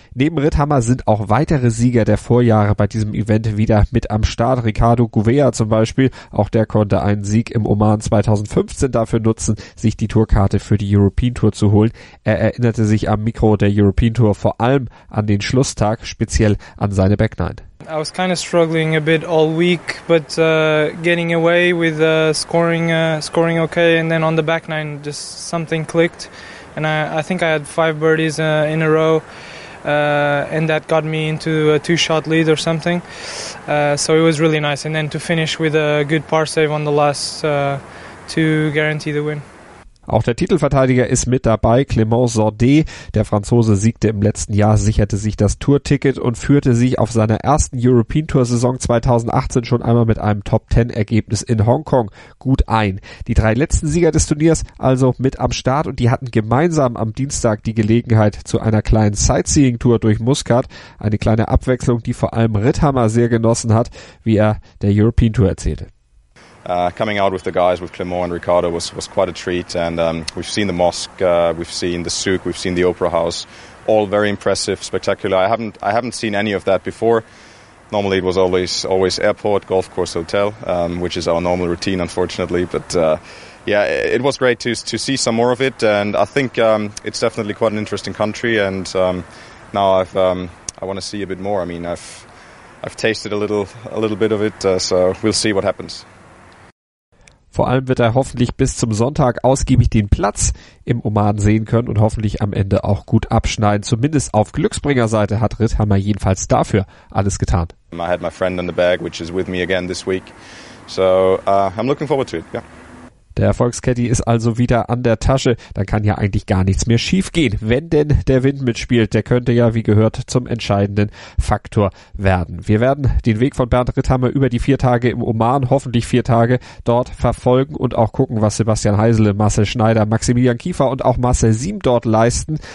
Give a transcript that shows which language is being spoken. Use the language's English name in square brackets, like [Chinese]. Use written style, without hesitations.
[German] Neben Ritthammer sind auch weitere Sieger der Vorjahre bei diesem Event wieder mit am Start. Ricardo Gouveia zum Beispiel, auch der konnte einen Sieg im Oman 2015 dafür nutzen, sich die Tourkarte für die European Tour zu holen. Er erinnerte sich am Mikro der European Tour vor allem an den Schlusstag, speziell an seine Backnine. [English] I was kind of struggling a bit all week, but getting away with scoring okay, and then on the back nine just something clicked, and I think I had 5 birdies in a row, and that got me into a 2-shot lead or something, so it was really nice, and then to finish with a good par save on the last to guarantee the win. [German] Auch der Titelverteidiger ist mit dabei, Clément Sordet. Der Franzose siegte im letzten Jahr, sicherte sich das Tourticket und führte sich auf seiner ersten European Tour Saison 2018 schon einmal mit einem Top-10-Ergebnis in Hongkong gut ein. Die 3 letzten Sieger des Turniers also mit am Start und die hatten gemeinsam am Dienstag die Gelegenheit zu einer kleinen Sightseeing-Tour durch Muscat. Eine kleine Abwechslung, die vor allem Ritthammer sehr genossen hat, wie er der European Tour erzählte. [English] Coming out with the guys, with Clément and Ricardo, was quite a treat. And we've seen the mosque, we've seen the souk, we've seen the opera house. All very impressive, spectacular. I haven't seen any of that before. Normally it was always airport, golf course, hotel, which is our normal routine, unfortunately. But it was great to see some more of it. And I think it's definitely quite an interesting country. And now I want to see a bit more. I mean, I've tasted a little bit of it. So we'll see what happens. [German] Vor allem wird er hoffentlich bis zum Sonntag ausgiebig den Platz im Oman sehen können und hoffentlich am Ende auch gut abschneiden. Zumindest auf Glücksbringerseite hat Ritthammer jedenfalls dafür alles getan. [English] I had my friend on the bag, which is with me again this week. So I'm looking forward to it, yeah. [German] Der Erfolgscaddy ist also wieder an der Tasche. Dann kann ja eigentlich gar nichts mehr schief gehen, wenn denn der Wind mitspielt. Der könnte ja, wie gehört, zum entscheidenden Faktor werden. Wir werden den Weg von Bernd Ritthammer über die 4 Tage im Oman, hoffentlich 4 Tage, dort verfolgen und auch gucken, was Sebastian Heisele, Marcel Schneider, Maximilian Kiefer und auch Marcel Siem dort leisten.